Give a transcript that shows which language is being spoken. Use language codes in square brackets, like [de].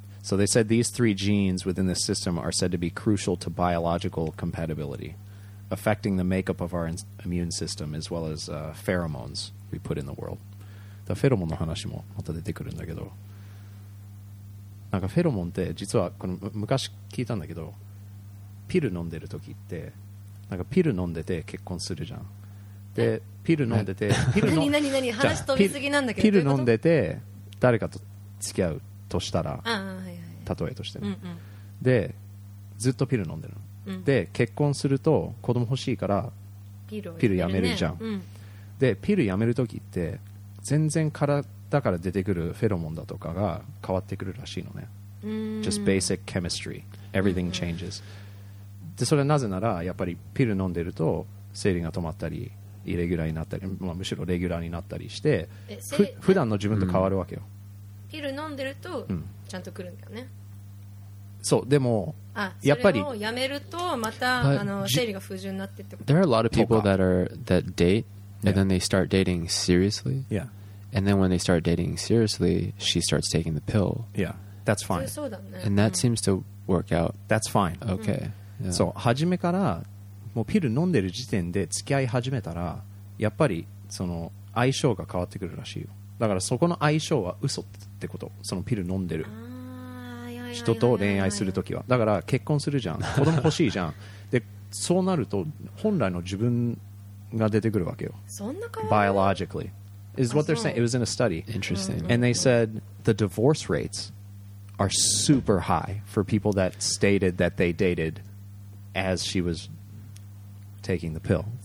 [en] So they said these three genes within the system are said to be crucial to biological compatibility. Affecting the makeup of our immune system as well as pheromones we put in the world. [ja] だからフェロモンの話もまた出てくるんだけど、なんかフェロモンって実はこの昔聞いたんだけど、ピル飲んでる時ってなんかピル飲んでて結婚するじゃん。でピル飲んでて、ピル何何何話飛びすぎなんだけど、ピル飲んでて誰かと付き合うとしたら、はいはい、例えとして、ね、うんうん、でずっとピル飲んでるの。で結婚すると子供欲しいからピルやめるじゃん、ね、うん、でピルやめるときって全然体から出てくるフェロモンだとかが変わってくるらしいのね。うーん、 [en] just basic chemistry everything changes、 [ja] うん、でそれはなぜならやっぱりピル飲んでると生理が止まったりイレギュラーになったり、まあ、むしろレギュラーになったりして普段の自分と変わるわけよ、うん、ピル飲んでるとちゃんと来るんだよね、うん、そう、でもやっぱりそれをやめるとまた生理が不順になってってこと。 [en] There are a lot of people that date and、yeah. then they start dating seriously. Yeah. And then when they start dating seriously, she starts taking the pill. Yeah. That's fine. [ja] そうだね。 [en] And that seems to work out. That's fine. Okay. [ja] そう、初めからもうピル飲んでる時点で付き合い始めたらやっぱりその相性が変わってくるらしいよ。だからそこの相性は嘘ってこと。そのピル飲んでる。人と恋愛するときはだから結婚するじゃん、子供欲しいじゃん。でそうなると本来の自分が出てくるわけよ。そんな変わる [en] biologically is what they're saying. It was in a study. Interesting. And they said the divorce rates are super high for people that stated that they dated as she was taking the pill.